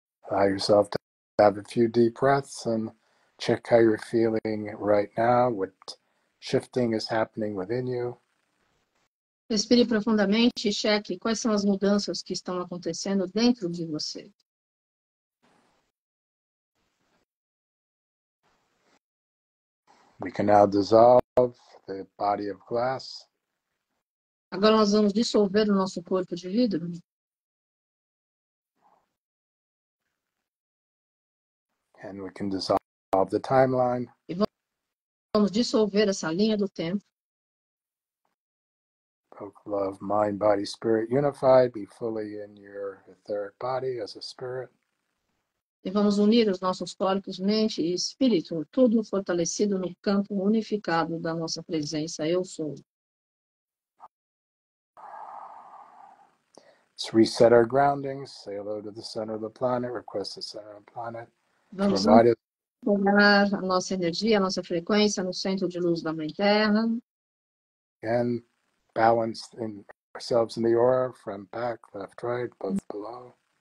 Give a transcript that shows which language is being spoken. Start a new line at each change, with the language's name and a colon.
English: Allow yourself to have a few deep breaths and check how you're feeling right now, what shifting is happening within you.
Portuguese: Respire profundamente e cheque quais são as mudanças que estão acontecendo dentro de você.
English: We can now dissolve the body of glass.
Portuguese: Agora nós vamos dissolver o nosso corpo de vidro.
English: And we can dissolve the timeline.
Portuguese: E vamos dissolver essa linha do tempo.
English: Both love, mind, body, spirit unified. Be fully in your etheric body as a spirit.
Portuguese: E vamos unir os nossos corpos, mente e espírito, tudo fortalecido no campo unificado da nossa presença, eu sou.
English: Let's reset our grounding, say hello to the center of the planet, request the center of the planet.
Portuguese: Vamos recuperar a nossa energia, a nossa frequência no centro de luz da Mãe Terra.
English: And balance in ourselves in the aura, front, back, left, right, both below.